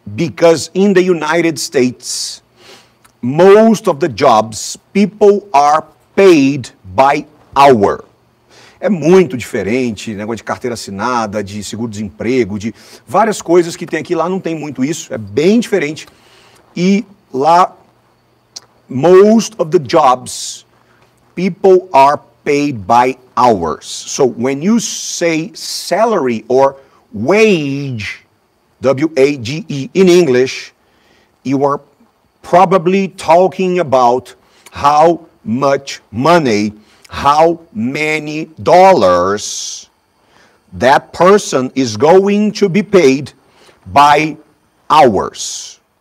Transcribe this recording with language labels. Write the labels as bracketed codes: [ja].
[en] Because in the United States, most of the jobs, people are paid by hour. [pt] É muito diferente, negócio de carteira assinada, de seguro-desemprego, de várias coisas que tem aqui. Lá não tem muito isso, é bem diferente. E lá, [en] most of the jobs, people are paid by hours. So when you say salary or wage, W-A-G-E, in English, you are probably talking about how much money, how many dollars that person is going to be paid by hours.